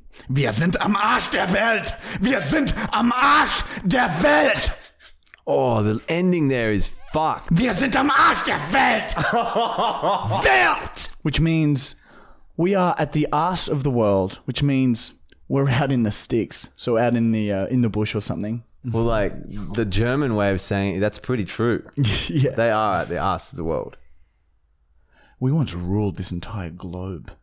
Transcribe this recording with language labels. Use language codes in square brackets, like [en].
[de] Wir sind am Arsch der Welt. Wir sind am Arsch der Welt. [en] Oh, the ending there is fucked. [de] Wir sind am Arsch der Welt. Welt. [en] Which means we are at the arse of the world, which means we're out in the sticks. So out in the bush or something. Well, like the German way of saying it, that's pretty true. Yeah. They are at the arse of the world. We once ruled this entire globe.